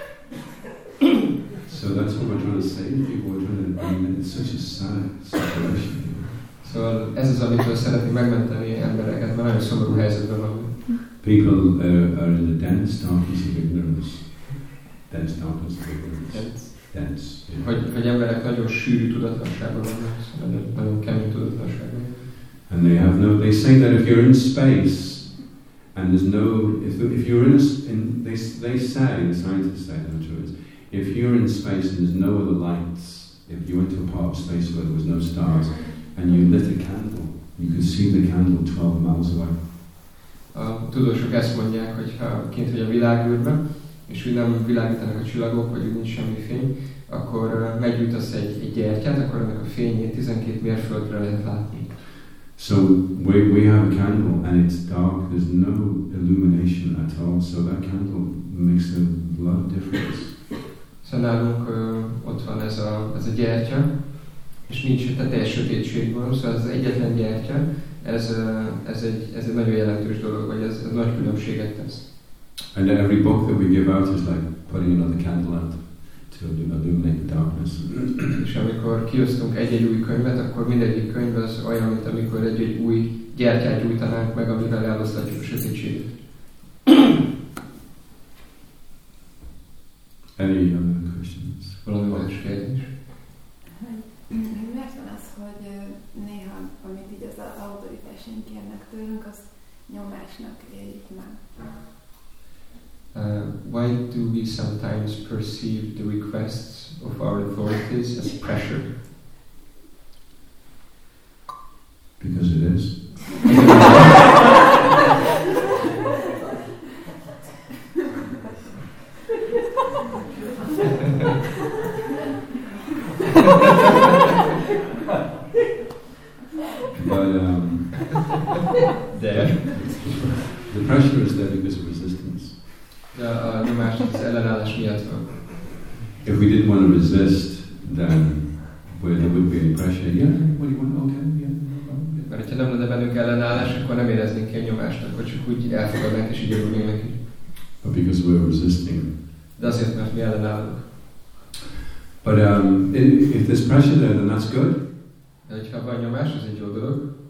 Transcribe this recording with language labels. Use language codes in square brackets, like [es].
[en] So that's what we're trying to say to people. We're trying to bring them. It's such a sad situation. [hu] So ez az, amitől szeretni megmenteni embereket, mert nagyon szomorú helyzetben vannak. [en] People are in the dense darkness of ignorance. Dense darkness of ignorance. Dense. [hu] Hogy emberek nagyon sűrű tudatlanságban vannak, nagyon kemény tudatlanságban. [en] And they have no. They say that if you're in space. And there's no, if you're in they say, the scientists say, I'm sure it's, if you're in space and there's no other lights, if you went to a part of space where there was no stars, and you lit a candle, you could see the candle 12 miles away. [hu] A tudósok ezt mondják, hogy ha kint vagy a világűrben, és úgy nem világítanak a csillagok, vagy úgy nincs semmi fény, akkor megjutasz egy gyertyát, akkor ennek a fényét 12 mérföldre lehet látni. [en] So we have a candle and it's dark, there's no illumination at all, so that candle makes a lot of difference. [hu] So nálunk ott van ez a gyertya, és nincs itt a teljes sötétség van, szóval az egyetlen gyertya, ez egy nagyon jelentős dolog, vagy ez nagy különbséget tesz. [en] And then every book that we give out is like putting another candle out to illuminate the darkness. [hu] És amikor kiosztunk egy-egy új könyvet, akkor mindegyik könyv az olyan, mint amikor egy-egy új gyertyát gyújtanánk meg, amivel eloszlatjuk a sötétséget. [en] Any other questions? [hu] Valami más kérdés? Miért van az, hogy néha, amit így az autoritásaink kérnek tőlünk, az nyomásnak éljük meg? [en] Why do we sometimes perceive the requests of our authorities as pressure? Because it is. But there, the pressure is there because of resistance. If we didn't want to resist, then there would be any pressure. Yeah, what do you want? Okay, yeah. [hu] Mert ha nem lenne bennünk ellenállás, akkor nem éreznénk ki a nyomást, akkor csak úgy elfogadnánk és így örülnénk neki. [en] But because we're resisting. [hu] De azért, mert mi ellenállunk. [en] But if there's pressure there, then that's good. [hu] De hogyha van nyomás, ez egy jó dolog.